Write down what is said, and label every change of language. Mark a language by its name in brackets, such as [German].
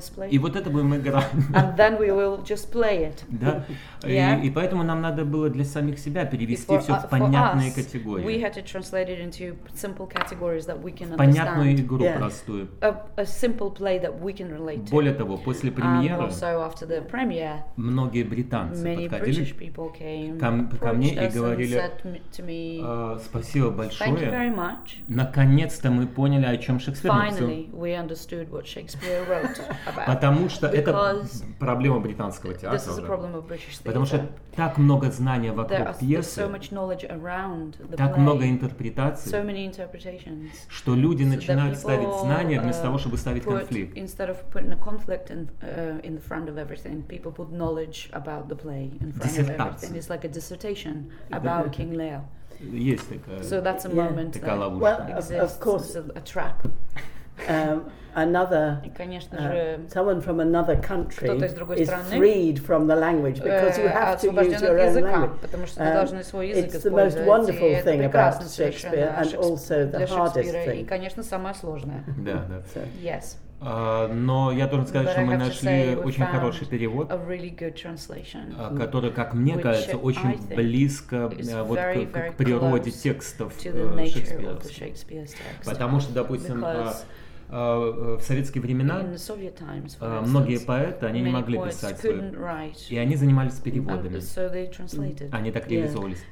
[Russian] И вот это будем играть. И поэтому нам надо было для самих себя перевести все в понятные категории. [English] We had to translate it into simple categories that we can understand. [Russian] Понятную игру простую. [English] A simple play that we can relate to. [Russian] Более того, после премьеры, [English] also after the premiere, [Russian] многие британцы подходили [English] British people came [Russian] ко мне и говорили, [English] said to me, [Russian] спасибо большое. [English] Thank you very much. [Russian] Наконец-то мы поняли, о чем Шекспир написал. [English] Finally, we understood what Shakespeare wrote about. [Russian] Потому что это проблема британского театра. [English] This is a problem of British theatre. [Russian] Потому что так много знания вокруг пьесы. [English] So much knowledge around. [Russian] Так много интерпретаций, [English] so many interpretations, [Russian] что люди начинают ставить знания вместо того, чтобы ставить конфликт. [English] Instead of putting a conflict in the front of everything, people put knowledge about the play in front of everything. It's like a dissertation about King Lear. [Russian] Есть такая. [English] So that's a moment that [Russian] ловушка. [English] Well, of course, it's a trap. Another, someone from another country is freed from the language because you have to use your own language. It's the most wonderful thing about Shakespeare and also the hardest thing. [Russian] И, конечно, самое сложное. Да, да. [English] Yes. [Russian] Но я должен сказать, что мы нашли очень хороший перевод, [English] really [Russian] который, как мне кажется, очень близко вот к природе текстов Шекспира. Потому что, допустим, в советские времена многие поэты, они не могли писать свои, и они занимались переводами. Они так реализовывались.